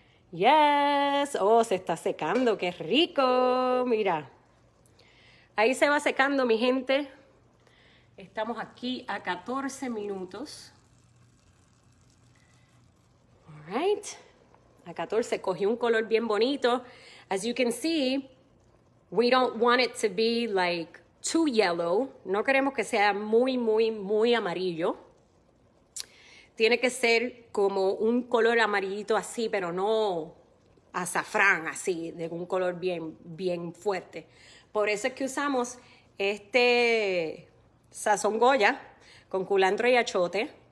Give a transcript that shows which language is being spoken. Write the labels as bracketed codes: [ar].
[es] Yes. Oh, se está secando. Qué rico. Mira. Ahí se va secando, mi gente. Estamos aquí a 14 minutos. All right. A 14, cogió un color bien bonito. [en] As you can see, we don't want it to be like too yellow. [es] No queremos que sea muy, muy, muy amarillo. Tiene que ser como un color amarillito así, pero no azafrán así, de un color bien, bien fuerte. Por eso es que usamos este sazón Goya con culantro y achote.